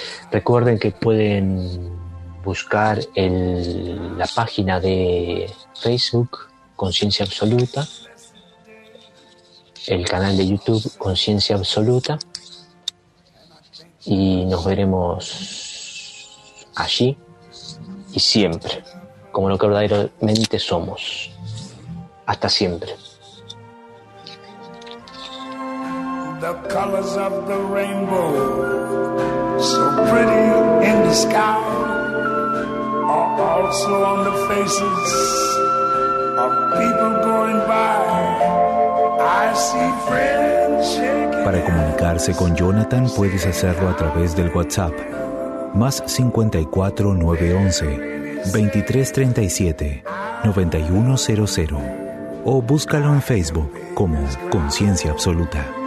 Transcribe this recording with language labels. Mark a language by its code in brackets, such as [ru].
[es] Recuerden que pueden buscar la página de Facebook, Conciencia Absoluta, el canal de YouTube, Conciencia Absoluta, y nos veremos allí y siempre, como lo que verdaderamente somos. Hasta siempre. [en] The colors of the rainbow, so pretty in the sky, are also on the faces of people going by. I see friends shaking. [es] Para comunicarse con Jonathan puedes hacerlo a través del WhatsApp +54 911 2337. 9100 o búscalo en Facebook como Conciencia Absoluta.